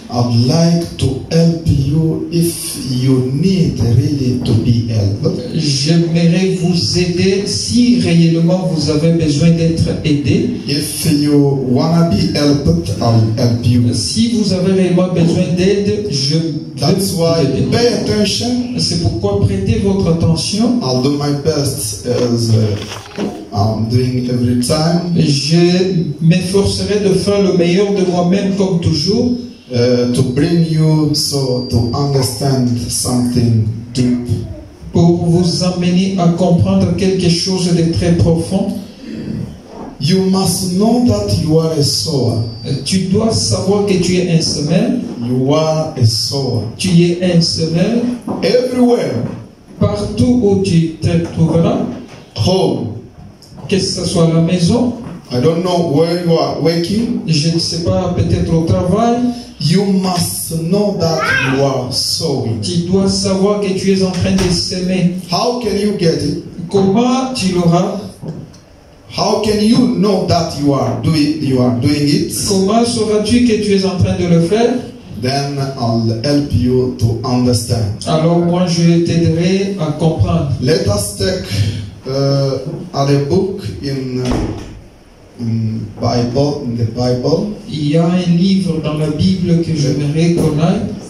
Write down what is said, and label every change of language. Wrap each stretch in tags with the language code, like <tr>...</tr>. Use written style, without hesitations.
<en>I'd like to help you if you need really to be helped.</en> <fr>J'aimerais vous aider si réellement vous avez besoin d'être aidé.</fr> <en>If you wanna be helped, I'll help you.</en> <fr>Si vous avez réellement besoin d'aide, je</fr> <en>That's why pay attention.</en> <fr>C'est pourquoi prêtez votre attention.</fr> <en>I'll do my best as I'm doing every time.</en> <fr>Je m'efforcerai de faire le meilleur de moi-même comme toujours.</fr> <en>To bring you so to understand something deep.</en> <fr>Pour vous amener à comprendre quelque chose de très profond.</fr> <en>You must know that you are a sower.</en> <fr>Tu dois savoir que tu es un semeur.</fr> <en>You are a sower.</en> <fr>Tu es un semeur.</fr> <en>Everywhere.</en> <fr>Partout où tu te trouveras.</fr> <en>Home.</en> <fr>Que ce soit la maison.</fr> <en>I don't know where you are working.</en> <fr>Je ne sais pas, peut-être au travail.</fr> <en>You must know that you are sowing.</en> <fr>Tu dois savoir que tu es en train de semer.</fr> <en>How can you get it?</en> <fr>Comment tu l'auras?</fr> <en>How can you know that you are doing it?</en> <fr>Comment sauras-tu que tu es en train de le faire?</fr> <en>Then I'll help you to understand.</en> <fr>Alors moi je t'aiderai à comprendre.</fr> <en>Let us take a book in the Bible.</en> <fr>Il y a un livre dans la Bible que j'aimerais connaître.</fr>